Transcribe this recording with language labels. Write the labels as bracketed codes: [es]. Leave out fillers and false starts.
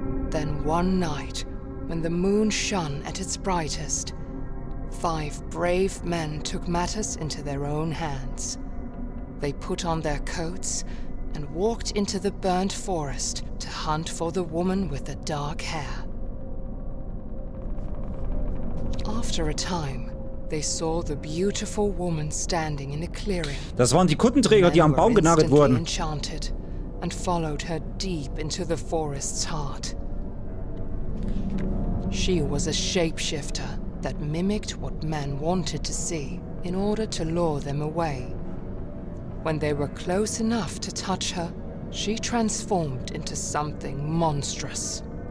[en] Then one night, when the moon shone at its brightest, five brave men took matters into their own hands. They put on their coats and walked into the burnt forest to hunt for the woman with the dark hair. After a time, they saw the beautiful woman standing in a clearing. [de] Das waren die Kuttenträger, die am Baum genagelt wurden. [en] Enchanted and followed her deep into the forest's heart. She was a shapeshifter that mimicked what men wanted to see in order to lure them away. When they were close enough to touch her, she transformed into something monstrous.